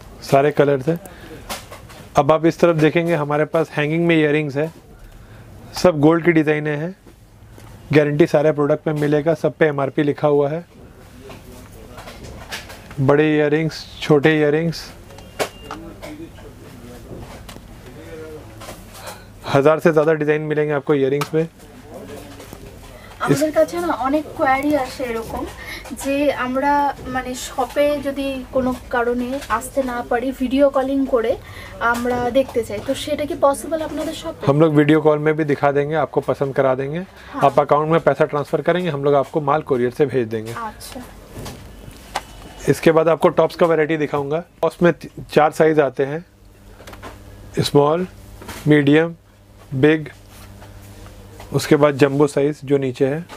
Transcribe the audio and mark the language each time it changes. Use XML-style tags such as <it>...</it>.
<hi>सारे कलर्स हैं अब आप इस तरफ देखेंगे हमारे पास हैंगिंग में इयररिंग्स है सब गोल्ड की डिजाइनें हैं गारंटी सारे प्रोडक्ट में मिलेगा सब पे MRP लिखा हुआ है बड़े इयररिंग्स छोटे इयररिंग्स 1000 से ज्यादा डिजाइन मिलेंगे आपको इयररिंग्स में</hi> <bn>আমাদের কাছে না অনেক কোয়ারি আসে এরকম যে আমরা মানে শপে যদি কোনো কারণে আসতে না পারি ভিডিও কলিং করে আমরা দেখতে চাই তো সেটা কি পসিবল আপনাদের শপে</bn> <hi>हम लोग वीडियो कॉल में भी दिखा देंगे आपको पसंद करा देंगे आप अकाउंट में पैसा ट्रांसफर करेंगे हम लोग आपको माल कुरियर से भेज देंगे अच्छा इसके बाद आपको टॉप्स का वैरायटी दिखाऊंगा उसमें चार साइज आते हैं स्मॉल मीडियम बिग उसके बाद जंबो साइज जो नीचे है</hi>